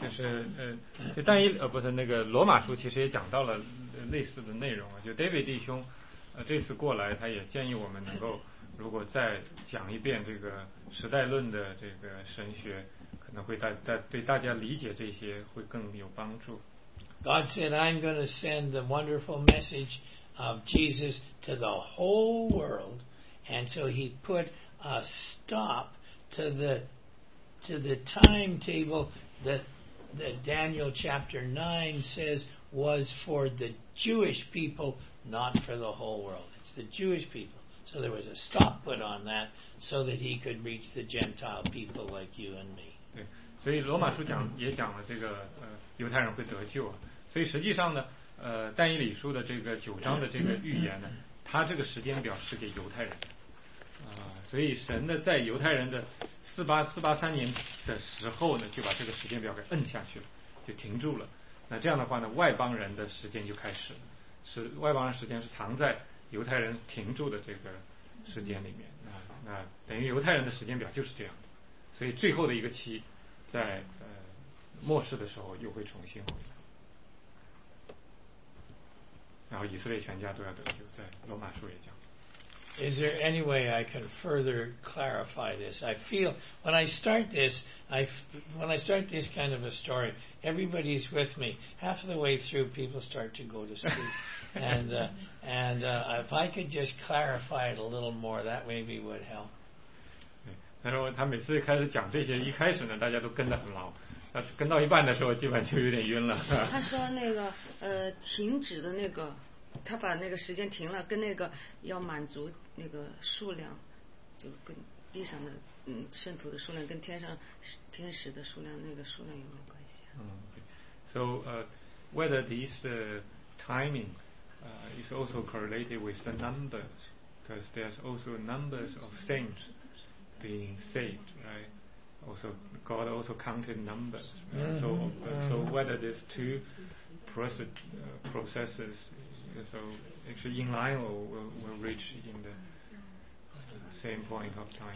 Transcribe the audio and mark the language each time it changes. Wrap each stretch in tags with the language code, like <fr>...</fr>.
<zh>就是就但以不是那个罗马书其实也讲到了类似的内容啊。就 David 弟兄，这次过来他也建议我们能够，如果再讲一遍这个时代论的这个神学，可能会对大家理解这些会更有帮助。</zh> <en>God said, I'm going to send the wonderful message of Jesus to the whole world. And so he put a stop to the timetable that Daniel chapter 9 says was for the Jewish people, not for the whole world. It's the Jewish people. So there was a stop put on that so that he could reach the Gentile people like you and me.</en> <zh>对，所以罗马书讲也讲了这个犹太人会得救啊。所以实际上呢，但以理书的这个九章的这个预言呢，它这个时间表是给犹太人的，所以神呢在犹太人的四八三年的时候呢，就把这个时间表给摁下去了，就停住了。那这样的话呢，外邦人的时间就开始了，是外邦人时间是藏在犹太人停住的这个时间里面，那等于犹太人的时间表就是这样的，所以最后的一个期在末世的时候又会重新回来。然后以色列全家都要得救，在罗马书也讲。</zh> <en>Is there any way I can further clarify this? I feel when I start this, when I start this kind of a story, everybody's with me. Half of the way through, people start to go to sleep. And if I could just clarify it a little more, that maybe would help.</en> <zh>他说他每次开始讲这些，一开始呢，大家都跟得很牢。但是跟到一半的时候，基本就有点晕了。他说那个停止的那个，他把那个时间停了，跟那个要满足那个数量，就跟地上的圣徒的数量，跟天上天使的数量那个数量有没有关系、啊？</zh> <en>嗯、okay. ，So whether these timing is also correlated with the numbers, because there's also numbers of saints being saved, right? Also, God also counted numbers. Right? So whether these two processes so actually in line or will reach in the same point of time.</en>